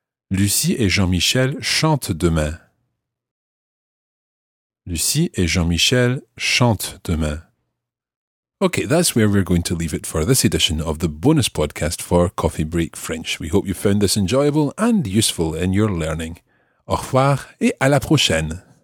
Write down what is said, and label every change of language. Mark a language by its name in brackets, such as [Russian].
[French] Lucie et Jean-Michel chantent demain. Lucie et Jean-Michel chantent demain. [English] Okay, that's where we're going to leave it for this edition of the bonus podcast for Coffee Break French. We hope you found this enjoyable and useful in your learning. [French] Au revoir et à la prochaine!